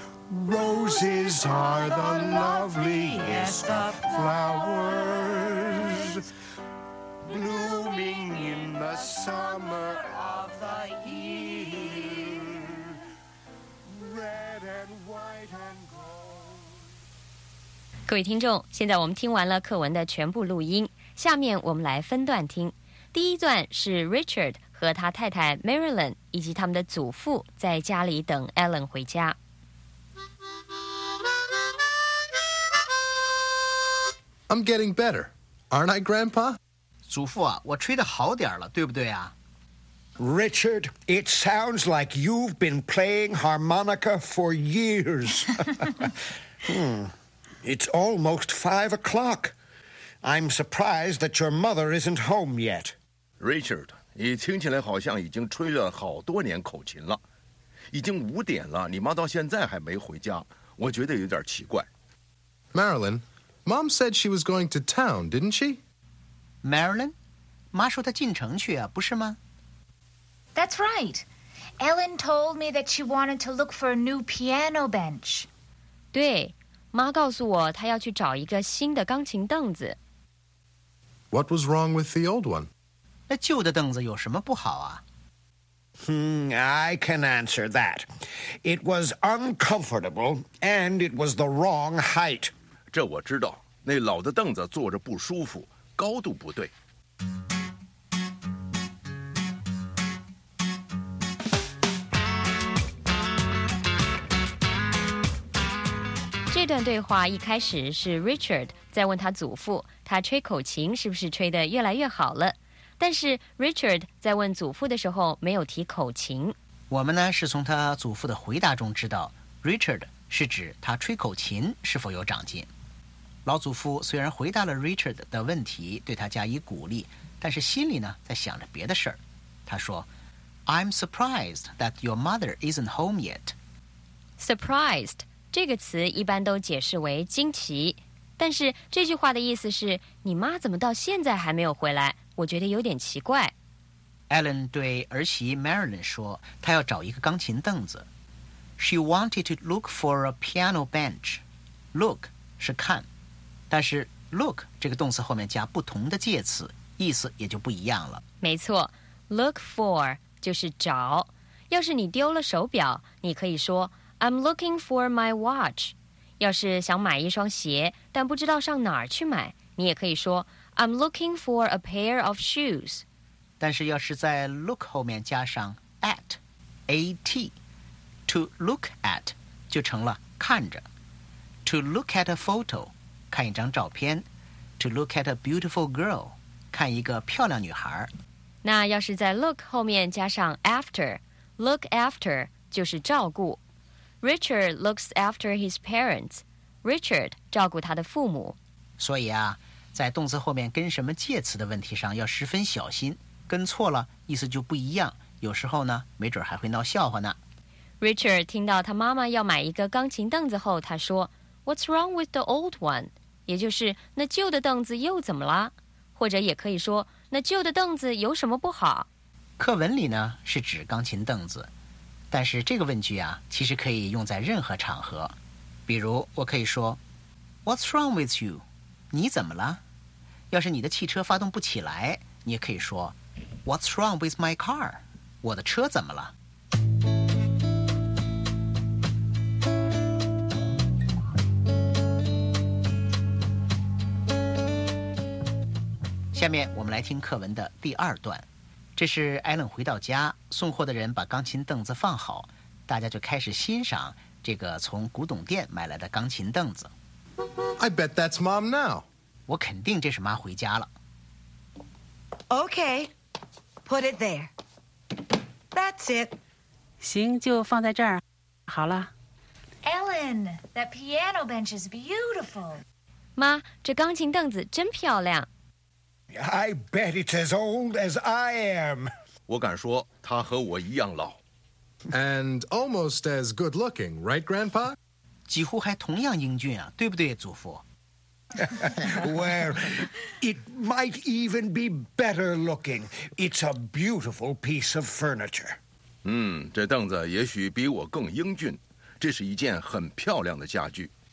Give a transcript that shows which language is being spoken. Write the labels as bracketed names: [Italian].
[English] Roses are the loveliest of flowers, blooming in the summer of the year. Red [Chinese] 各位听众，现在我们听完了课文的全部录音，下面我们来分段听。第一段是 Richard 和他太太 Marilyn 以及他们的祖父在家里等 Ellen 回家。 [English] I'm getting better, aren't I, Grandpa? [Chinese] 祖父啊，我吹得好点了，对不对啊？ [English] Richard, it sounds like you've been playing harmonica for years. It's almost 5 o'clock. I'm surprised that your mother isn't home yet. [Chinese] Richard, 你听起来好像已经吹了好多年口琴了。已经5点了，你妈到现在还没回家，我觉得有点奇怪。 [English] Marilyn, Mom said she was going to town, didn't she? Marilyn? [Chinese] 妈说她进城去啊，不是吗？ [English] That's right. Ellen told me that she wanted to look for a new piano bench. [Chinese] 对，妈告诉我她要去找一个新的钢琴凳子。 [English] What was wrong with the old one? [Chinese] 那旧的凳子有什么不好啊？ [English] I can answer that. It was uncomfortable and it was the wrong height. [Chinese] 这我知道，那老的凳子坐着不舒服，高度不对。这段对话一开始是 Richard 在问他祖父，他吹口琴是不是吹得越来越好了。但是 Richard 在问祖父的时候没有提口琴。我们呢是从他祖父的回答中知道 Richard 是指他吹口琴是否有长进。老祖父虽然回答了 Richard 的问题，对他加以鼓励，但是心里呢在想着别的事儿。他说 [English] I'm surprised that your mother isn't home yet. [Chinese] Surprised这个词一般都解释为惊奇，但是这句话的意思是你妈怎么到现在还没有回来，我觉得有点奇怪。 Ellen 对儿媳 Marilyn 说她要找一个钢琴凳子。 [English] She wanted to look for a piano bench. [Chinese] Look 是看，但是 look 这个动词后面加不同的介词，意思也就不一样了。没错， look for 就是找，要是你丢了手表你可以说 [English] I'm looking for my watch. [Chinese] 要是想买一双鞋，但不知道上哪儿去买，你也可以说 [English] I'm looking for a pair of shoes. [Chinese] 但是要是在 look 后面加上 at, A-T, to look at 就成了看着。 [English] To look at a photo, [Chinese] 看一张照片。 [English] To look at a beautiful girl, [Chinese] 看一个漂亮女孩。那要是在 look 后面加上 after, look after 就是照顾。 [English] Richard looks after his parents. [Chinese] Richard 照顾他的父母。所以啊，在动词后面跟什么介词的问题上要十分小心，跟错了意思就不一样，有时候呢没准还会闹笑话呢。 Richard 听到他妈妈要买一个钢琴凳子后，他说 [English] What's wrong with the old one? [Chinese] 也就是那旧的凳子又怎么了，或者也可以说那旧的凳子有什么不好。课文里呢是指钢琴凳子，但是这个问句啊其实可以用在任何场合。比如我可以说 [English] What's wrong with you? [Chinese] 你怎么了？要是你的汽车发动不起来，你也可以说 [English] What's wrong with my car? [Chinese] 我的车怎么了？下面我们来听课文的第二段。这是艾伦回到家，送货的人把钢琴凳子放好，大家就开始欣赏这个从古董店买来的钢琴凳子。 [English] I bet that's mom now. [Chinese] 我肯定这是妈回家了。 [English] Okay, put it there. That's it. [Chinese] 行，就放在这儿。好了。 [English] Ellen, that piano bench is beautiful. [Chinese] 妈，这钢琴凳子真漂亮。 [English] I bet it's as old as I am. [Chinese] 我敢说他和我一样老。 [English] And almost as good looking, right, Grandpa? [Chinese] 几乎还同样英俊啊，对不对，祖父？ [English] Well, it might even be better looking. It's a beautiful piece of furniture. [Chinese] 这凳子也许比我更英俊，这是一件很漂亮的家具。